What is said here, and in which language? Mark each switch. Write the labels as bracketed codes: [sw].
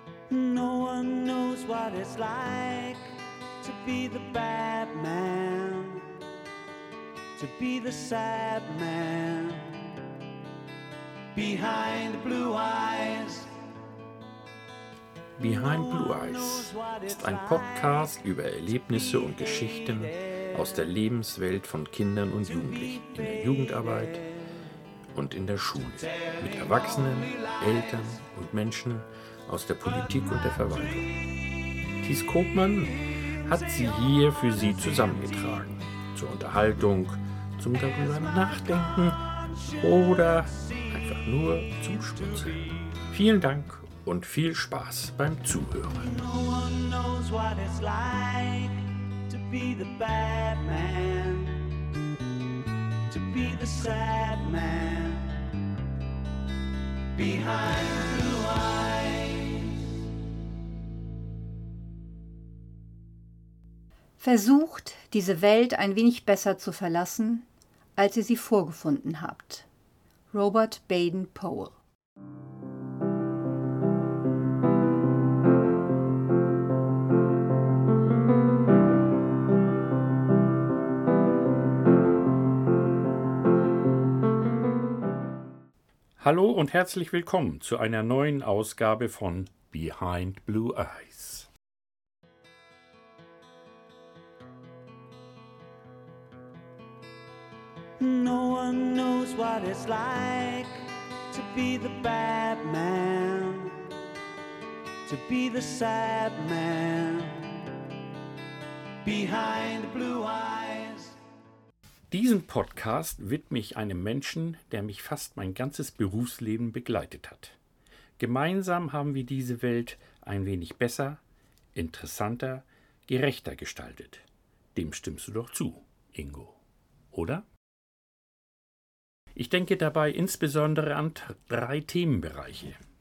[en] No one knows what it's like to be the bad man, to be the sad man behind the blue eyes. [de] Behind Blue Eyes ist ein Podcast über Erlebnisse und Geschichten aus der Lebenswelt von Kindern und Jugendlichen in der Jugendarbeit und in der Schule, mit Erwachsenen, Eltern und Menschen aus der Politik und der Verwaltung. Thies Koopmann hat sie hier für Sie zusammengetragen, zur Unterhaltung, zum darüber nachdenken oder einfach nur zum Schmunzeln. Vielen Dank und viel Spaß beim Zuhören. [en] No one knows what it's like to be the bad man, to be the sad man behind blue eyes. [de] Versucht, diese Welt ein wenig besser zu verlassen, als ihr sie vorgefunden habt. Robert Baden-Powell. Hallo und herzlich willkommen zu einer neuen Ausgabe von Behind Blue Eyes. [en] No one knows what it's like to be the bad man, to be the sad man behind blue eyes. [de] Diesen Podcast widme ich einem Menschen, der mich fast mein ganzes Berufsleben begleitet hat. Gemeinsam haben wir diese Welt ein wenig besser, interessanter, gerechter gestaltet. Dem stimmst du doch zu, Ingo, oder? Ich denke dabei insbesondere an drei Themenbereiche.